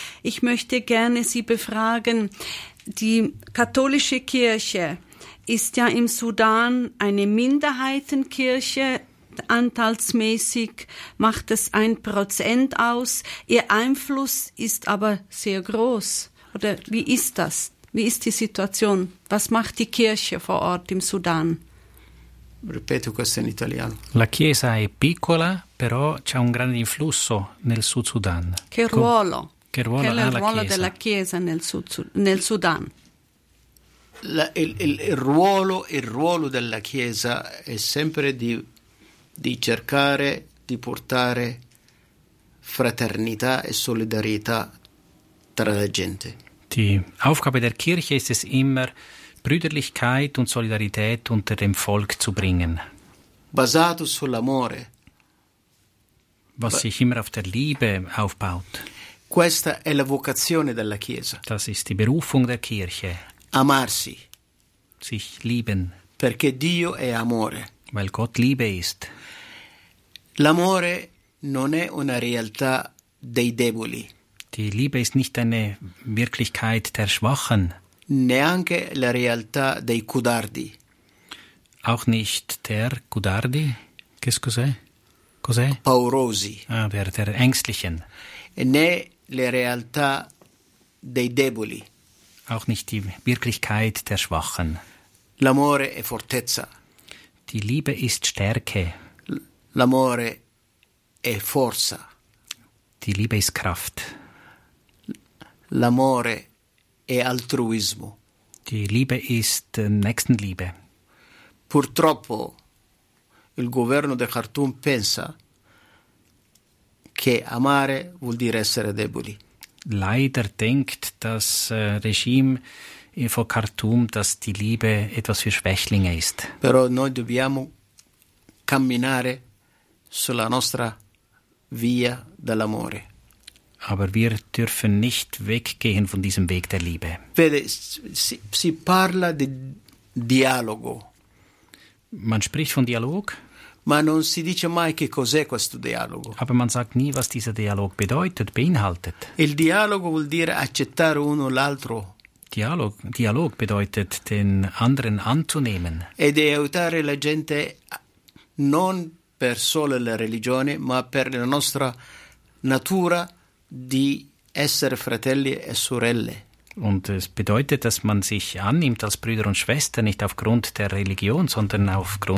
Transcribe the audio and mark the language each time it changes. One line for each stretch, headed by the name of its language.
German: Ich möchte gerne Sie befragen, die katholische Kirche ist ja im Sudan eine Minderheitenkirche. Anteilsmäßig macht es 1% aus. Ihr Einfluss ist aber sehr groß. Oder wie ist das? Wie ist die Situation? Was macht die Kirche vor Ort im Sudan?
Italian: Ripeto questo in italiano. La chiesa è piccola, però c'è un grande influsso nel Sud Sudan. Che ruolo? Che ruolo ha la chiesa? Della chiesa nel Sudan? Il ruolo della chiesa è sempre di cercare di portare fraternità e solidarietà tra la gente.
German: Die Aufgabe der Kirche ist es immer, Brüderlichkeit und Solidarität unter dem Volk zu bringen.
Italian: Basato sull'amore.
German: Was sich immer auf der Liebe aufbaut.
Italian: Questa è la vocazione della Chiesa.
German: Das ist die Berufung der Kirche.
Italian: Amarsi.
German: Sich lieben.
Italian: Perché Dio è amore.
German: Weil Gott Liebe ist.
Italian: L'amore non è una realtà dei deboli.
German: Die Liebe ist nicht eine Wirklichkeit der Schwachen.
Italian: Neanche la realtà dei codardi.
German: Auch nicht der
Italian: codardi? Che cos'è? Cos'è? Paurosi.
German: Ah, der Ängstlichen.
Italian: Né la realtà dei deboli.
German: Auch nicht die Wirklichkeit der Schwachen.
Italian: L'amore è fortezza.
German: Die Liebe ist Stärke.
Italian: L'amore è forza.
German: Die Liebe ist Kraft.
Italian: L'amore è altruismo.
German: Die Liebe ist Nächstenliebe.
Italian: Purtroppo il governo di Khartoum pensa che amare vuol dire essere deboli.
German: Leider denkt das Regime von Khartoum, dass die Liebe etwas für Schwächlinge ist.
Italian: Però noi dobbiamo camminare sulla nostra via dell'amore.
German: Aber wir dürfen nicht weggehen von diesem Weg der Liebe.
Italian: Vede, si parla di dialogo.
German: Man spricht von Dialog.
Italian: Ma non si dice mai che cos'è questo dialogo.
German: Aber man sagt nie, was dieser Dialog bedeutet, beinhaltet.
Italian: Il dialogo vuol dire accettare uno l'altro.
German: Dialog bedeutet, den anderen anzunehmen.
Italian: Ed aiutare la gente non per solo la religione, ma per la nostra natura di essere fratelli e sorelle.
German: Und es bedeutet, dass man sich annimmt als Brüder und Schwestern, nicht aufgrund der Religion, sondern aufgrund